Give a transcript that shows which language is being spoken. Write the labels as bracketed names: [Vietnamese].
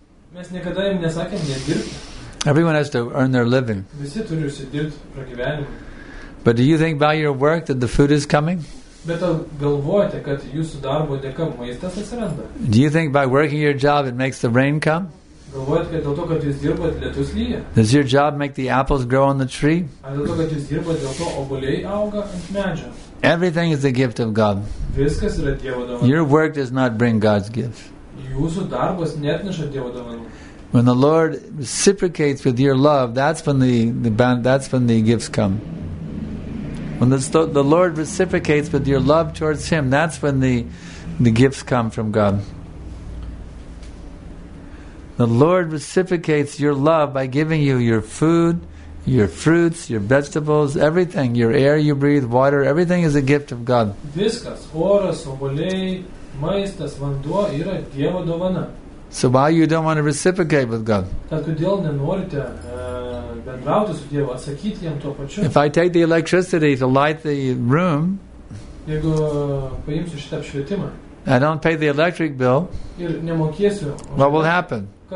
[Lithuanian] Mes niekada jums nesakėm nedirbti. [English] Everyone has to earn their living. [Lithuanian] Visi turi užsidirbti pragyvenimą. [English] But do you think by your work that the food is coming? [Lithuanian] Bet galvojate, kad jūsų darbo dėka maistas atsiranda? [English] Do you think by working your job it makes the rain come? [Lithuanian] Galvojate, kad dėl to, kad jūs dirbate, lietus lyja? [English] Does your job make the apples grow on the tree? [Lithuanian] Ar dėl to, kad jūs dirbate, dėl to obuoliai auga ant medžio? [English] Everything is a gift of God. [Lithuanian] Viskas yra Dievo dovana. [English] Your work does not bring God's gift. [Lithuanian] Jūsų darbas neatneša Dievo dovanų. [English] When the Lord reciprocates with your love, that's when the gifts come. When the Lord reciprocates with your love towards Him, that's when the gifts come from God. The Lord reciprocates your love by giving you your food, your fruits, your vegetables, everything, your air you breathe, water, everything is a gift of God. [Lithuanian] Viskas, oras, obuoliai, maistas, vanduo yra Dievo dovana. [English] So why you don't want to reciprocate with God? If I take the electricity to light the room, I don't pay the electric bill, what will happen?